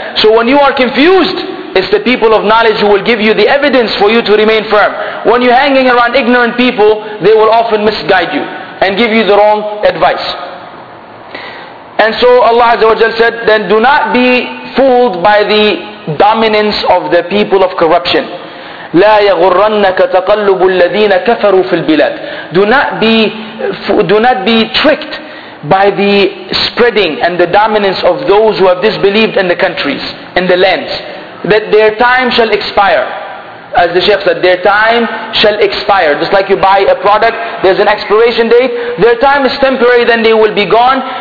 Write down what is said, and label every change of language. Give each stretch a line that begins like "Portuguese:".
English: So when you are confused, it's the people of knowledge who will give you the evidence for you to remain firm. When you're hanging around ignorant people, they will often misguide you and give you the wrong advice. And so Allah Azza wa Jal said, then do not be fooled by the dominance of the people of corruption.
Arabic: لا يغرنك تقلب الذين كفروا في البلاد.
English: Do not be tricked by the spreading and the dominance of those who have disbelieved in the countries, in the lands. That their time shall expire. As the Shaykh said, their time shall expire. Just like you buy a product, there's an expiration date. Their time is temporary, then they will be gone.